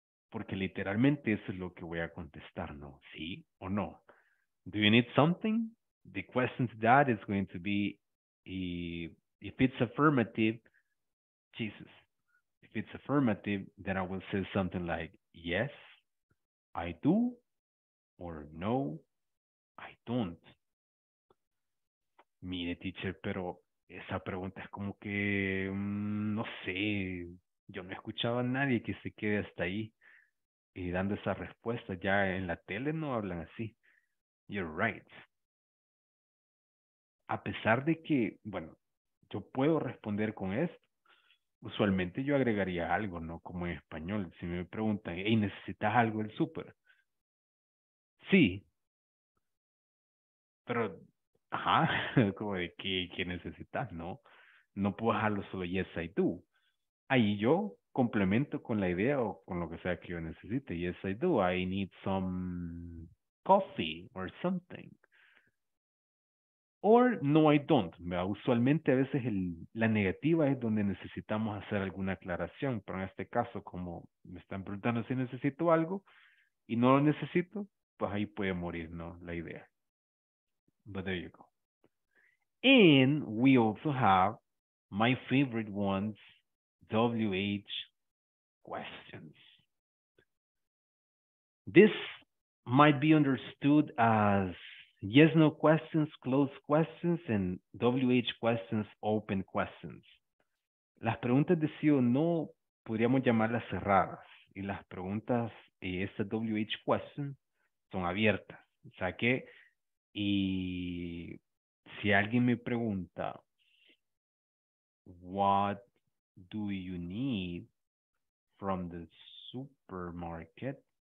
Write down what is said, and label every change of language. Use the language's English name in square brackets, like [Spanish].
[Spanish] Porque literalmente eso es lo que voy a contestar, ¿no? ¿Sí o no? [English] Do you need something? The question to that is going to be, if it's affirmative, Jesus. If it's affirmative, then I will say something like, yes, I do, or no, I don't. [Spanish] Mire, teacher, pero esa pregunta es como que, no sé, yo no he escuchado a nadie que se quede hasta ahí dando esa respuesta. Ya en la tele no hablan así. [English] You're right. [Spanish] A pesar de que, bueno, yo puedo responder con esto, usualmente yo agregaría algo, ¿no? Como en español, si me preguntan, hey, ¿necesitas algo del súper? Sí. Pero... ajá, como de qué necesitas, ¿no? No puedo dejarlo solo [English] yes, I do. [Spanish] Ahí yo complemento con la idea o con lo que sea que yo necesite. [English] Yes, I do. I need some coffee or something. Or no, I don't. [Spanish] Usualmente a veces la negativa es donde necesitamos hacer alguna aclaración. Pero en este caso, como me están preguntando si necesito algo y no lo necesito, pues ahí puede morir, ¿no?, la idea. [English] But there you go. And we also have my favorite ones, WH questions. This might be understood as yes, no questions, closed questions, and WH questions, open questions. [Spanish] Las preguntas de sí o no podríamos llamarlas cerradas. Y las preguntas, esta WH question, son abiertas. O sea que, y si alguien me pregunta, [English] what do you need from the supermarket?